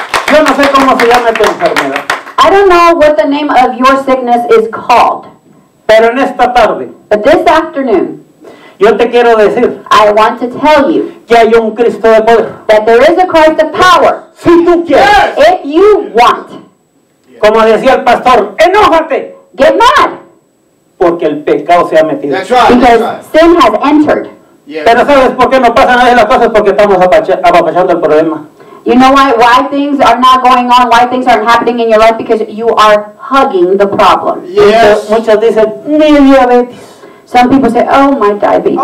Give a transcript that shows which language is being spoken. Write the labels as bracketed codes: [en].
[es] Yo no sé cómo se llama tu enfermedad. [en] I don't know what the name of your sickness is called. [es] Pero en esta tarde. [en] But this afternoon. [es] Yo te quiero decir. [en] I want to tell you. [es] Que hay un Cristo de poder. [en] That there is a Christ of power. [es] Si tú quieres. [en] If you want. [es] Como decía el pastor, enójate. [en] Get mad. [es] Porque el pecado se ha metido. [en] That's right. Because that's right. Sin has entered. Yes. [es] Pero sabes por qué no pasa nada de las cosas, porque estamos apapachando el problema. [en] You know why things are not going on, why things aren't happening in your life? Because you are hugging the problem. Yes. [es] Muchos dicen, mi diabetes. [en] Some people say, oh, my diabetes.